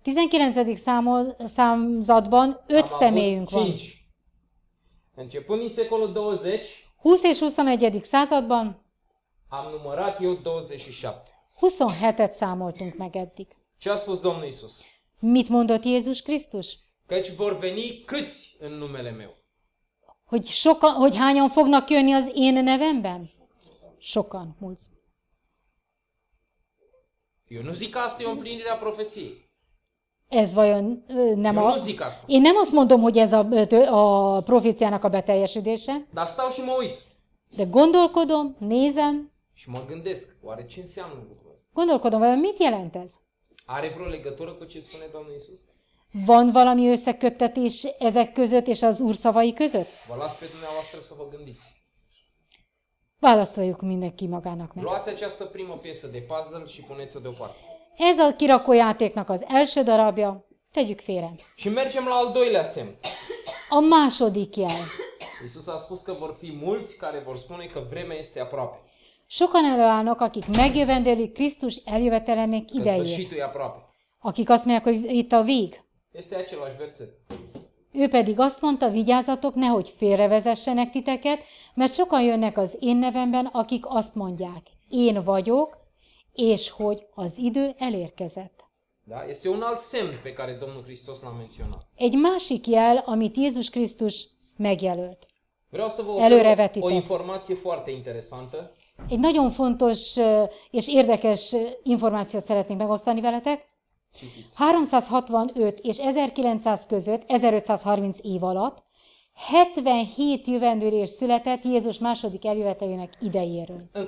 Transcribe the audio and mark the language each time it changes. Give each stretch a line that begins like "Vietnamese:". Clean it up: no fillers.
Hungarian: 19. században 5 személyünk
Romanian: van. Începând din secolul 20,
Hungarian: 20 és 21. században
Romanian: am numărat eu 27.
Hungarian: 27-et számoltunk meg eddig.
Romanian: Ce a spus Domnul Iisus?
Hungarian: Mit mondott Jézus Krisztus?
Romanian: Căci vor veni câți în numele meu?
Hungarian: Hogy sokan, hogy hányan fognak jönni az én nevemben? Sokan,
Romanian: mulți. Eu nu zic că asta e o împlinire a profeției.
Hungarian: Ez vajon nem
Romanian: Eu a... Nu zic asta.
Hungarian: Én nem azt mondom, hogy ez a proféciának a beteljesedése.
Romanian: Dar stau și mă uit.
Hungarian: De gondolkodom, nézem.
Romanian: Și mă gândesc, oare ce înseamnă lucrul ăsta?
Hungarian: Gondolkodom, vajon mit jelent ez?
Romanian: Are vreo legătură cu ce spune Domnul Iisus?
Hungarian: Van valami összeköttetés ezek között és az Úr szavai között? Válasz
Romanian: pe dumneavoastră să vă gândiți.
Hungarian: Válaszoljuk mindenki magának meg.
Romanian: Luați această primă piesă de puzzle și puneți-o deoparte.
Hungarian: Ez a kirakójátéknak az első darabja, tegyük félre.
Romanian: Și mergem la al doilea semn.
Hungarian: A második jel.
Romanian: Iisus a spus că vor fi mulți care vor spune că vremea este aproape.
Hungarian: Sokan előállnak, akik megjövendőlik Krisztus eljövetelének idejét. Akik azt mondják, hogy itt a vég.
Romanian: Este același verset.
Hungarian: Ő pedig azt mondta, vigyázzatok, nehogy félrevezessenek titeket, mert sokan jönnek az én nevemben, akik azt mondják, én vagyok, és hogy az idő elérkezett.
Romanian: Da, este un alt semn pe care Domnul Hristos l-a menționat.
Hungarian: Egy másik jel, amit Jézus Krisztus megjelölt.
Romanian: Vreau să vă oferim o informație foarte interesantă.
Hungarian: Egy nagyon fontos és érdekes információt szeretnénk megosztani veletek. 365 és 1900 között, 1530 év alatt 77 jövendőlés született Jézus második eljövetelének idejéről.